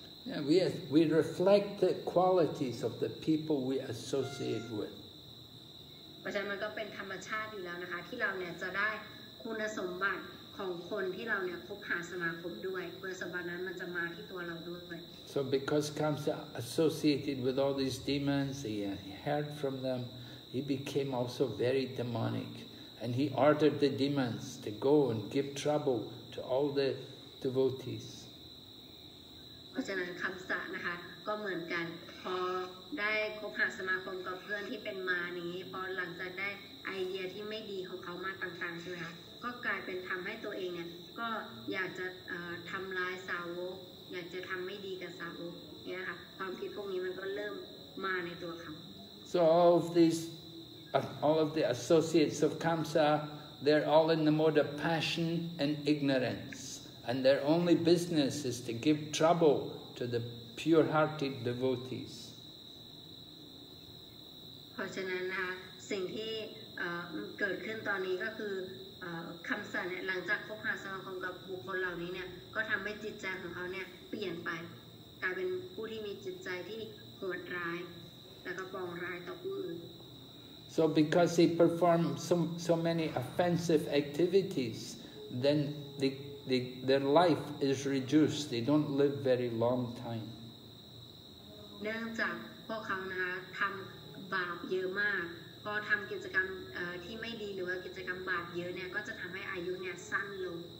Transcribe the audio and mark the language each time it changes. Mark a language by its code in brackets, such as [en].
[en] Yeah, we reflect the qualities of the people we associate with [th] เพราะฉะนั้นมันก็เป็นธรรมชาติอยู่แล้วนะคะที่เราเนี่ยจะได้คุณสมบัติของคนที่เราเนี่ยคบหาสมาคมด้วยคุณสมบัตินั้นมันจะมาที่ตัวเราด้วย [en] So because Kamsa associated with all these demons, he heard from them, he became also very demonic. And he ordered the demons to go and give trouble to all the devotees. [th] เพราะฉะนั้นคำสะนะคะก็เหมือนกันพอได้คบหาสมาคมกับเพื่อนที่เป็นมานี้พอหลังจากได้ไอเดียที่ไม่ดีของเขามาต่างๆใช่ไหมคะก็กลายเป็นทำให้ตัวเองเนี่ยก็อยากจะทำลายสาวกอยากจะทำไม่ดีกับสาวกเนี่ยค่ะความคิดพวกนี้มันก็เริ่มมาในตัวเขา [en] So all of these, all of the associates of Kamsa, they're all in the mode of passion and ignorance, and their only business is to give trouble to the pure-hearted devotees. [th] เพราะฉะนั้นนะสิ่งที่เกิดขึ้นตอนนี้ก็คือคำสั่งเนี่ยหลังจากพบหาสมาคมกับบุคคลเหล่านี้เนี่ยก็ทำให้จิตใจของเขาเนี่ยเปลี่ยนไปกลายเป็นผู้ที่มีจิตใจที่โหดร้ายแล้วก็ปองร้ายต่อผู้อื่น [en] So because they perform so many offensive activities, then their life is reduced. They don't live very long time. [th] เนื่องจากพวกเขานะคะทำบาปเยอะมากพอทำกิจกรรมที่ไม่ดีหรือว่ากิจกรรมบาปเยอะเนี่ยก็จะทำให้อายุเนี่ยสั้นลง